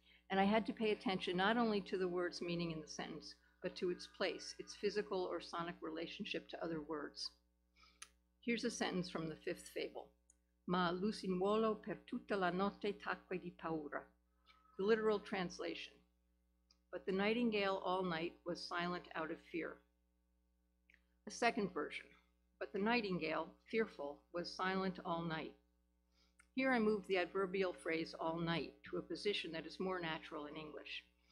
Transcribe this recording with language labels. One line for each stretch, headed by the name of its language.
English: And I had to pay attention not only to the word's meaning in the sentence, but to its place, its physical or sonic relationship to other words. Here's a sentence from the fifth fable.
Italian: Ma lucignuolo per tutta la notte tacque di paura.
English: The literal translation. But the nightingale all night was silent out of fear. A second version. But the nightingale, fearful, was silent all night. Here I move the adverbial phrase all night to a position that is more natural in English.